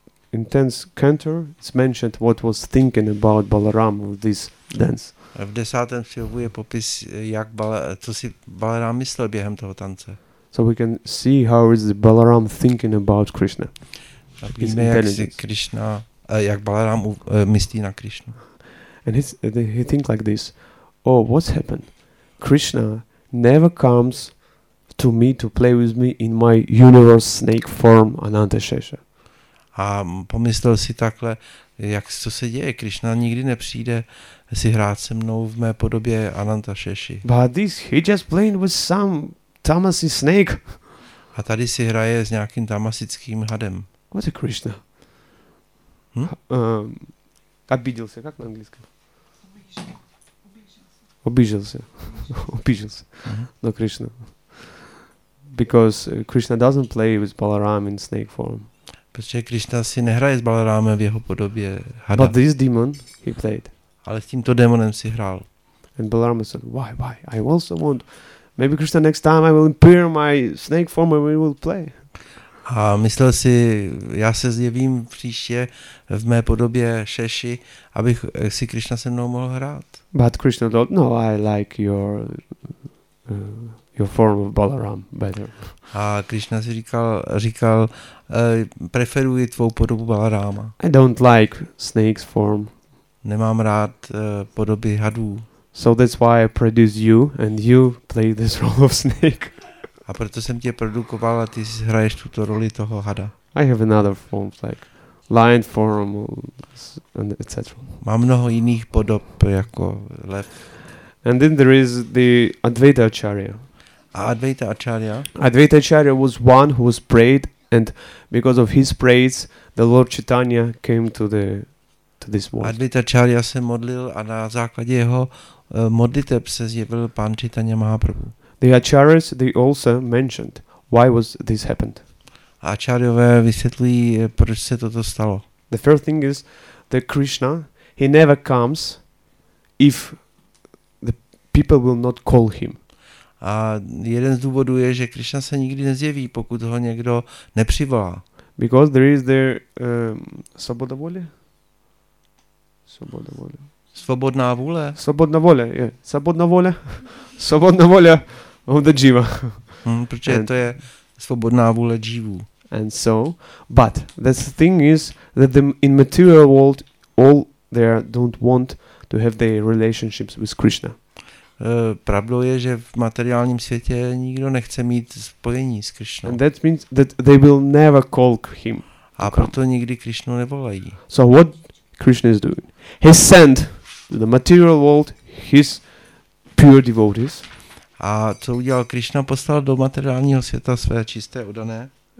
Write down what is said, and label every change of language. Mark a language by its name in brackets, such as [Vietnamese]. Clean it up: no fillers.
[English] Intense cantor, it's mentioned what was thinking about Balarama with this dance. [Czech] V desátém filmu je popis, jak co si Balarám myslel během toho tance. [English] So we can see how is the Balarám thinking about Krishna. [Czech] Víme, jak si Krishna, jak Balarám myslí na Krishna. [English] And he think like this. Oh, what's happened? Krishna never comes to me to play with me in my universe snake form Ananta Shesha. [Czech] A pomyslel si takhle, jak co se děje, Krishna nikdy nepřijde si hrát se mnou v mé podobě Ananta Sheshi. [English] But this, he just playing with some tamasy snake. [Czech] A tady si hraje s nějakým tamasickým hadem. [English] What's a Krishna? [Czech] Obížil se, jak na anglickém? Obížil se. Uh-huh. No Krishna. [English] Because Krishna doesn't play with Balaram in snake form. [Czech] Protože Krishna si nehraje s Balarámem v jeho podobě hada. [English] But this demon he played. [Czech] Ale s tímto démonem si hrál. [English] And Balarama said, why? I also want, maybe Krishna next time I will appear my snake form and we will play. [Czech] A myslel si, já se zjevím příště v mé podobě Šeši, abych si Krishna se mnou mohl hrát. [English] But Krishna thought, no, I like your form of Balaram better. [Czech] A Krishna si říkal, preferuji tvou podobu Balarama. [English] I don't like snake's form. [Czech] Nemám rád podoby hadů. [English] So that's why I produce you and you play this role of snake. [Czech] A proto jsem tě produkoval a ty hraješ tuto roli toho hada. [English] I have another form like lion form and etc. [Czech] Mám mnoho jiných podob jako lev. [English] And then there is the Advaita Acharya. Advaita Acharya was one who was prayed, and because of his prayers, the Lord Chaitanya came to this world. [Czech] Advaita Acharya se modlil a na základě jeho modliteb se zjevil Pán Chaitanya Mahaprabhu. [English] The Acharyas, they also mentioned why was this happened. [Czech] Acharyové vysvětlují, proč se toto stalo. [English] The first thing is that Krishna, he never comes if the people will not call him. [Czech] A jeden z důvodů je, že Krishna se nikdy nezjeví, pokud ho někdo nepřivolá. [English] Because there is their [Czech] svoboda vůle. Svoboda vůle. Svobodná vůle. Svobodná vůle, je. Svobodná vůle. Svobodná vůle [English] of the [Czech] jiva. Protože to je svobodná vůle jivů. [English] And so, but the thing is that the in material world all there don't want to have their relationships with Krishna. [Czech] Pravdou je, že v materiálním světě nikdo nechce mít spojení s Krishnou. [English] And that means that they will never call him. [Czech] A proto nikdy Krishnu nevolají. [English] So what Krishna is doing? He sent to the material world his pure devotees. [Czech] A co udělal Krishna? Poslal do materiálního světa své čisté oddané.